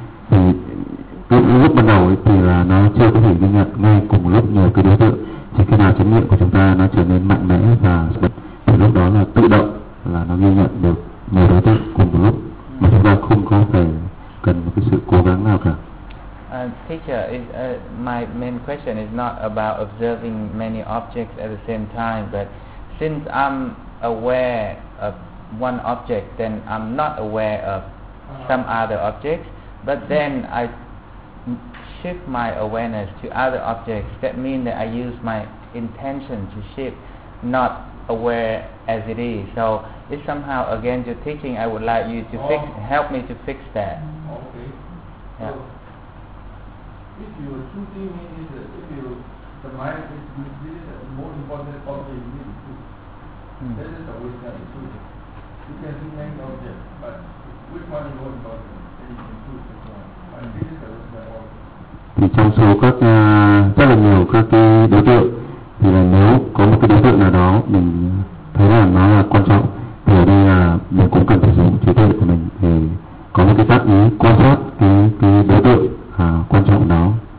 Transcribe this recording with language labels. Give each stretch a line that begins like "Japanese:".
Vietnamese: Thì lúc ban đầu thì là nó chưa có thể ghi nhận ngay cùng một lúc nhiều cái đối tượng, chỉ khi nào chánh niệm của chúng ta nó trở nên mạnh mẽ và thì lúc đó là tự động là nó ghi nhận được nhiều đối tượng cùng một lúc mà chúng ta không có phải cần một cái sự cố gắng nào cả.
English: Teacher, my main question is not about observing many objects at the same time, but since I'm aware of one object, then I'm not aware of some other objects, but then I shift my awareness to other objects. That means that I use my intention to shift, not aware as it is. So if somehow against your teaching, I would like you to fix, help me to fix that. Okay. Yeah. If you are choosing me, if you, the mind is misleading, the most important object you need to choose. That is the way that you choose. You can see many objects, but which one is more important? Then you can choose this one. And this is the way that I want.
Vietnamese: thì trong số các rất là nhiều các cái đối tượng thì là nếu có một cái đối tượng nào đó mình thấy là nó là quan trọng thì ở đây là mình cũng cần sử dụng trí tuệ của mình để có một cái tác ý quan sát cái đối tượng quan trọng đó.